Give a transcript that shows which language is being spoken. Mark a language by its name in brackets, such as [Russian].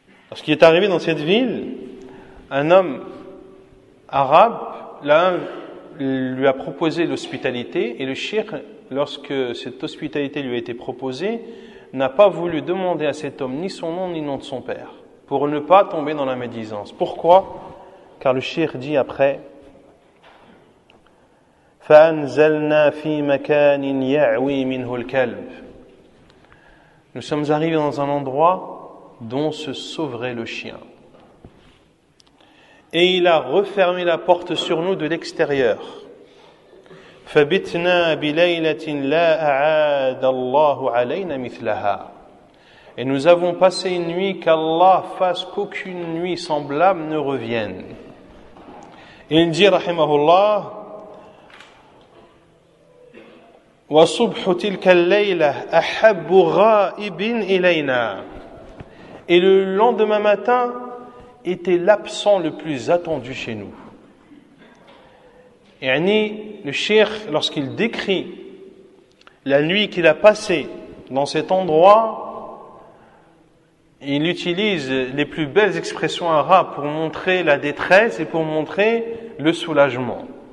[French] Parce qu'il est arrivé dans cette ville, un homme arabe lui a proposé l'hospitalité et le cheikh, lorsque cette hospitalité lui a été proposée, n'a pas voulu demander à cet homme ni son nom ni nom de son père pour ne pas tomber dans la médisance. Pourquoi? Car le cheikh dit après: [Arabic] فَأَنْزَلْنَا فِي مَكَانٍ يَعْوِي مِنْهُ الْكَلْبِ. [French] Nous sommes arrivés dans un endroit dont se sauverait le chien. Et il a refermé la porte sur nous de l'extérieur. [Arabic] فَبِتْنَا بِلَيْلَةٍ لَا أَعَادَ اللَّهُ عَلَيْنَا مِثْلَهَا. [French] Et nous avons passé une nuit qu'Allah fasse qu'aucune nuit semblable ne revienne. Et il dit, rahimahullah, [Arabic] وصبح تلك الليلة أحب غائب إلينا. [French] Et le lendemain matin était l'absent le plus attendu chez nous. يعني le cheikh lorsqu'il décrit la nuit qu'il a passée dans cet endroit, il utilise les plus belles expressions arabes pour montrer la détresse et pour montrer le soulagement.